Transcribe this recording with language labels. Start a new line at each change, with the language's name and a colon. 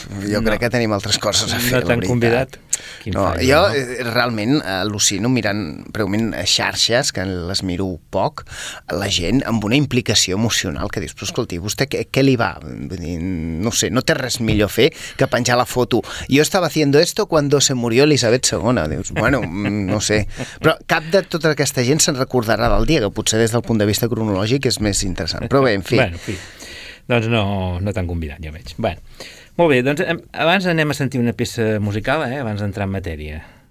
Catalan: Jo crec que tenim altres coses a fer, no t'han convidat? No, jo realment al·lucino mirant preument xarxes, que les miro poc, la gent amb una implicació emocional que dius, però escolti, vostè què li va? Vull dir, no sé, no té res millor fer que penjar la foto. Jo estava
Spanish: haciendo esto cuando se murió Elisabet II.
Catalan: Dius, bueno, no sé. Però cap de tota aquesta gent se'n recordarà del dia, que potser des del punt de vista cronològic és més interessant. Però bé, en fi. Bueno, fi. Doncs no t'han convidat, ja veig. Bueno. Molt bé, doncs abans anem a sentir una peça musical, abans d'entrar en matèria.